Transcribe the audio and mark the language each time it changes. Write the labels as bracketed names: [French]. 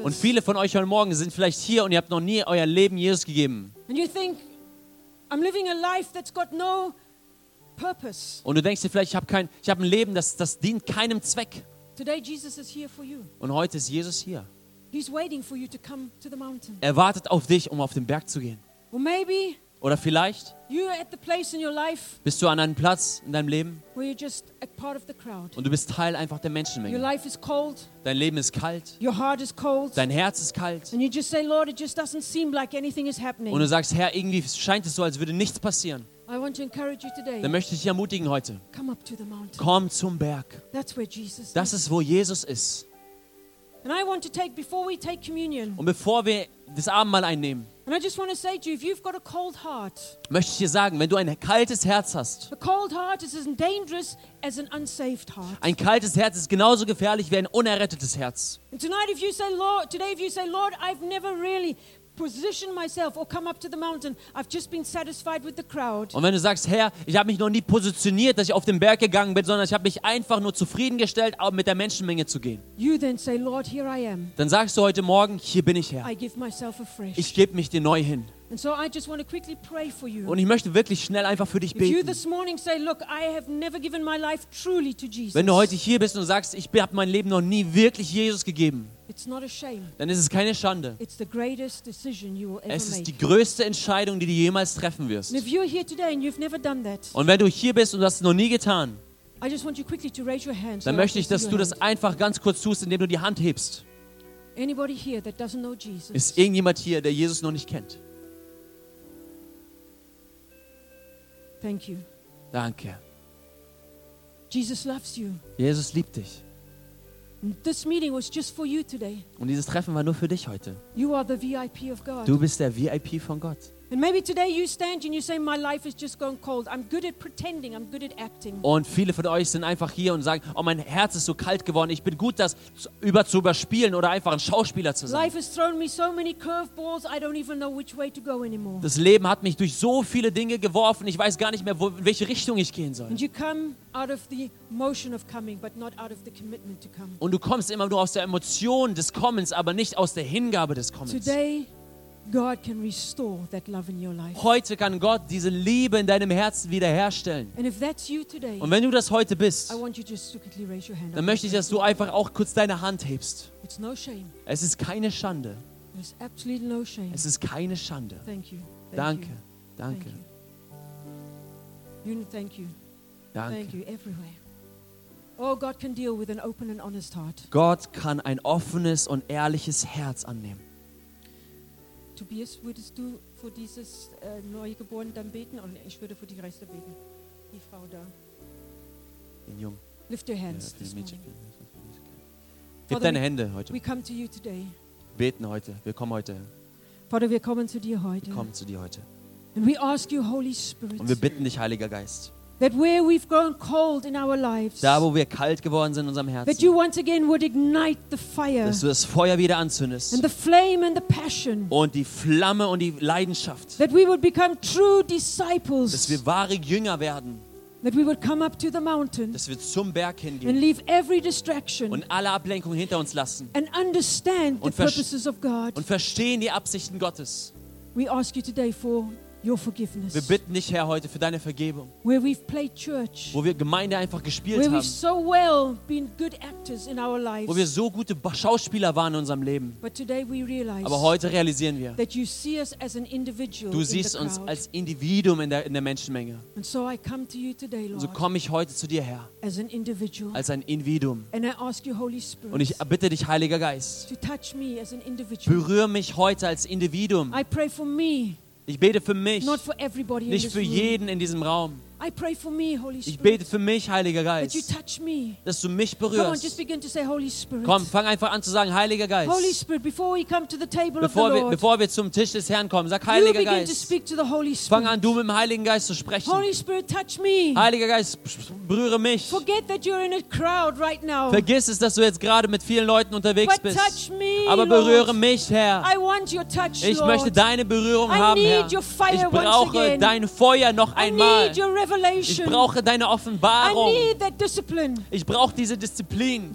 [German] Und viele von euch heute Morgen sind vielleicht hier und ihr habt noch nie euer Leben Jesus gegeben. [English] And you think I'm living a life that's got no purpose. [German] Und du denkst dir vielleicht, ich habe ein Leben, das dient keinem Zweck. [English] Today Jesus is here for you. [German] Und heute ist Jesus hier. [English] He's waiting for you to come to the mountain. [German] Er wartet auf dich, um auf den Berg zu gehen. [English] Or maybe, [German] oder vielleicht, [English] you are at the place in your life, [German] bist du an einem Platz in deinem Leben, [English] where you're just a part of the crowd. [German] Und du bist Teil einfach der Menschenmenge. [English] Your life is cold. [German] Dein Leben ist kalt. [English] Your heart is cold. [German] Dein Herz ist kalt. [English] And you just say, Lord, it just doesn't seem like anything is happening. [German] Und du sagst, Herr, irgendwie scheint es so, als würde nichts passieren. [English] I want to encourage you today. [German] Dann möchte ich dich ermutigen heute. [English] Come up to the mountain. [German] Komm zum Berg. [English] That's where Jesus. [German] Das ist, wo Jesus ist. [English] And I want to take before we take communion. [German] Und bevor wir das Abendmahl einnehmen. [English] And I just want to say to you, if you've got a cold heart. [German] Möchte ich dir sagen, wenn du ein kaltes Herz hast. [English] A cold heart is as dangerous as an unsaved heart. [German] Ein kaltes Herz ist genauso gefährlich wie ein unerrettetes Herz. [English] And tonight, if you say, Lord, today, if you say, Lord, I've never really position myself or come up to the mountain. I've just been satisfied with the crowd. [German] Und wenn du sagst, Herr, ich habe mich noch nie positioniert, dass ich auf den Berg gegangen bin, sondern ich habe mich einfach nur zufriedengestellt, auch mit der Menschenmenge zu gehen. [English] You then say, Lord, here I am. [German] Dann sagst du heute Morgen, hier bin ich, Herr. [English] I give myself afresh. [German] Ich gebe mich dir neu hin. [English] And so I just want to quickly pray for you. [German] Und ich möchte wirklich schnell einfach für dich beten. [English] If you this morning say, look, I have never given my life truly to Jesus. [German] Wenn du heute hier bist und sagst, ich habe mein Leben noch nie wirklich Jesus gegeben. [English] It's not a shame. [German] Dann ist es keine Schande. [English] It's the greatest decision you will ever [German] es ist [English] make. [German] Die größte Entscheidung, die du jemals treffen wirst. [English] And if you're here today and you've never done that, [German] und wenn du hier bist und hast es noch nie getan, [English] I just want you quickly to raise your hand, [German] dann so möchte ich, dass du das einfach ganz kurz tust, indem du die Hand hebst. [English] Anybody here that doesn't know Jesus? [German] Ist irgendjemand hier, der Jesus noch nicht kennt? [English] Thank you. [German] Danke. [English] Jesus loves you. [German] Jesus liebt dich. [English] This meeting was just for you today. [German] Und dieses Treffen war nur für dich heute. [English] You are the VIP of God. [German] Du bist der VIP von Gott. [English] And maybe today you stand and you say, my life is just going cold. I'm good at pretending. I'm good at acting. [German] Und viele von euch sind einfach hier und sagen, oh, mein Herz ist so kalt geworden. Ich bin gut, das überspielen oder einfach ein Schauspieler zu sein. [English] Life has thrown me so many curveballs. I don't even know which way to go anymore. [German] Das Leben hat mich durch so viele Dinge geworfen. Ich weiß gar nicht mehr, in welche Richtung ich gehen soll. [English] And you come out of the motion of coming, but not out of the commitment to come. [German] Und du kommst immer nur aus der Emotion des Kommens, aber nicht aus der Hingabe des Kommens. [English] Today, God can restore that love in your life. [German] Heute kann Gott diese Liebe in deinem Herzen wiederherstellen. [English] And if that's you today, [German] und wenn du das heute bist, [English] I want you just to quickly raise your hand. [German] Dann möchte ich, dass du einfach auch kurz deine Hand hebst. [English] It's no shame. [German] Es ist keine Schande. [English] There's absolutely no shame. [German] Es ist keine Schande. [English] Thank you. [German] Danke. Danke. [English] Thank you. [German] Danke. [English] Thank you everywhere. Oh, God can deal with an open and honest heart. [German] Gott kann ein offenes und ehrliches Herz annehmen. Tobias, würdest du für dieses Neugeborene dann beten? Und ich würde für die Reste beten. Die Frau da. Den Jungen. [English] Lift your hands this morning. [German] Gib deine Hände heute. We come to you today. Beten heute. Wir kommen heute. Vater, wir kommen zu dir heute. Wir kommen zu dir heute. [English] And we ask you, Holy Spirit, [German] und wir bitten dich, Heiliger Geist, [English] that where we've grown cold in our lives, [German] da wo wir kalt geworden sind in unserem Herzen, [English] that you once again would ignite the fire, [German] dass du das Feuer wieder anzündest, [English] and the flame and the passion, [German] und die Flamme und die Leidenschaft, [English] that we would become true disciples, [German] dass wir wahre Jünger werden, [English] that we would come up to the mountain, [German] dass wir zum Berg hingehen, [English] and leave every distraction, [German] und alle Ablenkung hinter uns lassen, [English] and understand the purposes of God, [German] und verstehen die Absichten Gottes. [English] We ask you today for your forgiveness. [German] Wir bitten dich, Herr, heute für deine Vergebung. [English] Where we've played church. [German] Wo wir Gemeinde einfach gespielt [English] where [German] haben. [English] We've so well been good actors in our lives. [German] Wo wir so gute Schauspieler waren in unserem Leben. [English] But today we realize, [German] aber heute realisieren wir, [English] that you see us as an individual [German] du siehst [English] in the crowd. [German] Uns als Individuum in der Menschenmenge. [English] And so I come to you today, Lord, [German] und so komme ich heute zu dir, Herr, [English] as an individual, [German] als ein Individuum. [English] And I ask you, Holy Spirit, [German] und ich bitte dich, Heiliger Geist, [English] to touch me as an individual. [German] Berühre mich heute als Individuum. [English] I pray for me. [German] Ich bete für mich, [English] not for everybody in [German] nicht [English] this [German] für jeden [English] room. [German] In diesem Raum. [English] I pray for me, Holy Spirit, [German] ich bete für mich, Heiliger Geist, [English] that you touch me. [German] Dass du mich berührst. [English] Come on, just begin to say, Holy Spirit. [German] Komm, fang einfach an zu sagen, Heiliger Geist. [English] Holy Spirit, before we come to the table [German] bevor, [English] of the Lord, [German] bevor wir zum Tisch des Herrn kommen, sag, Heiliger [English] you begin [German] Geist, [English] to speak to the Holy Spirit. [German] Fang an, du mit dem Heiligen Geist zu sprechen. [English] Holy Spirit, touch me. [German] Heiliger Geist, berühre mich. [English] Forget that you're in a crowd right now. [German] Vergiss es, dass du jetzt gerade mit vielen Leuten unterwegs [English] but [German] bist. [English] Touch me, [German] aber berühre [English] Lord. [German] Mich, Herr. [English] I want your touch, [German] ich [English] Lord. [German] Möchte deine Berührung [English] I [German] haben, [English] need [German] Herr. [English] Your fire [German] ich brauche [English] once again. [German] Dein Feuer noch [English] I [German] einmal. [English] Need your Revelation. [German] Ich brauche deine Offenbarung. [English] I need that discipline. [German] Ich brauche diese Disziplin.